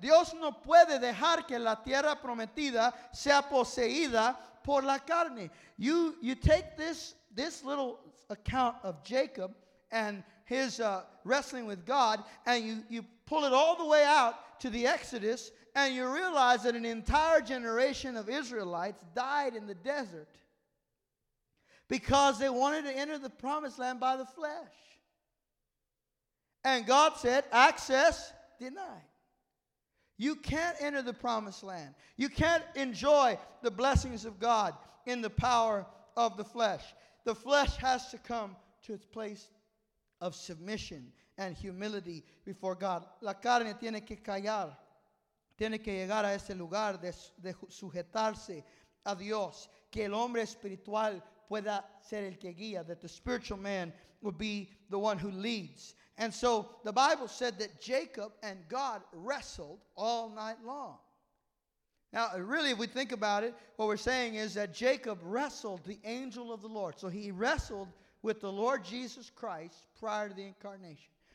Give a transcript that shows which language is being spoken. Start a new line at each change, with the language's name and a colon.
Spanish: Dios no puede dejar que la tierra prometida sea poseída por la carne.
English: You take this little account of Jacob and his wrestling with God, and you pull it all the way out to the Exodus, and you realize that an entire generation of Israelites died in the desert because they wanted to enter the promised land by the flesh. And God said, access denied. You can't enter the promised land. You can't enjoy the blessings of God in the power of the flesh. The flesh has to come to its place of submission and humility before God.
Spanish: La carne tiene que callar. Tiene que llegar a ese lugar de sujetarse a Dios. Que el hombre espiritual pueda ser el que guía.
English: That the spiritual man would be the one who leads. And so the Bible said that Jacob and God wrestled all night long. Now, really, if we think about it, what we're saying is that Jacob wrestled the angel of the Lord. So he wrestled with the Lord Jesus Christ prior to the incarnation.